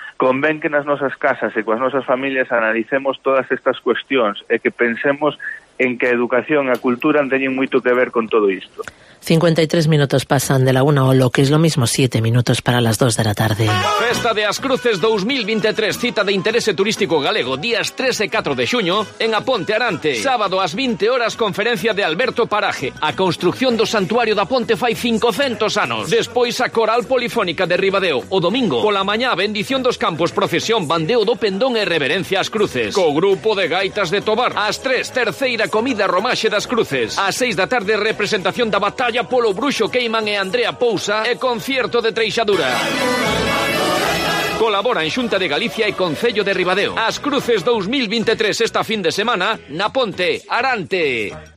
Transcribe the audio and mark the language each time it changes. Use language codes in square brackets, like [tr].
[gl] Convén que nas nosas casas e coas nosas familias analicemos todas estas cuestións e que pensemos en que a educación e a cultura teñen moito que ver con todo isto. [es] 53 minutos pasan de la una, o lo que es lo mismo, 7 minutos para las 2 de la tarde. [gl] Festa de As Cruces 2023, cita de interés turístico galego, días 3 e 4 de xuño, en Aponte Arante. Sábado, ás 20 horas, conferencia de Alberto Paraje. A construcción do santuario da Ponte fai 500 anos. Despois, a coral polifónica de Ribadeo. O domingo, pola mañá, bendición dos campos, procesión, bandeo do pendón e reverencia ás cruces. Co grupo de gaitas de Tobar. Ás 3, terceira comida romaxe das cruces. Ás 6 da tarde, representación da batalla. Talla polo Bruxo Queiman e Andrea Pousa e concierto de Treixadura. Colaboran Xunta de Galicia e Concello de Ribadeo. As Cruces 2023 esta fin de semana na Ponte Arante.